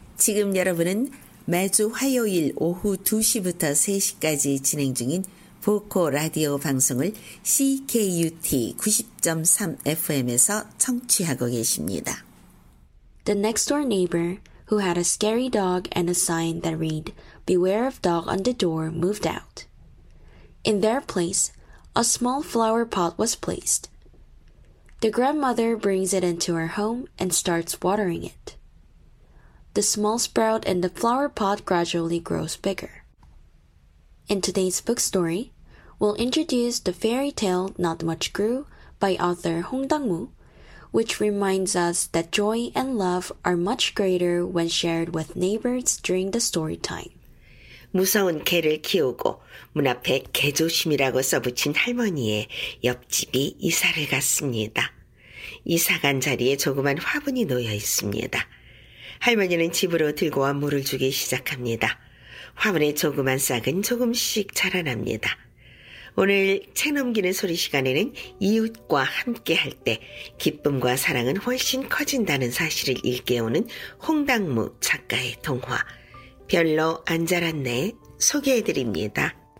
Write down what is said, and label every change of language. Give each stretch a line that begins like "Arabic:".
Korean: 지금 여러분은 매주 화요일 오후 2시부터 3시까지 진행 중인 보코 라디오 방송을 CKUT 90.3 FM에서 청취하고 계십니다.
English: The next door neighbor, who had a scary dog and a sign that read, "Beware of dog on the door," moved out. In their place, a small flower pot was placed. The grandmother brings it into her home and starts watering it. The small sprout in the flower pot gradually grows bigger. In today's book story, we'll introduce the fairy tale Not Much Grew by author Hong Dang-woo, which reminds us that joy and love are much greater when shared with neighbors during the story time.
Korean: 무서운 개를 키우고 문 앞에 개조심이라고 써붙인 할머니의 옆집이 이사를 갔습니다. 이사 간 자리에 조그만 화분이 놓여 있습니다. 할머니는 집으로 들고 와 물을 주기 시작합니다. 화분의 조그만 싹은 조금씩 자라납니다. 오늘 책 넘기는 소리 시간에는 이웃과 함께 할 때 기쁨과 사랑은 훨씬 커진다는 사실을 일깨우는 홍당무 작가의 동화 별로 안 자랐네 소개해드립니다.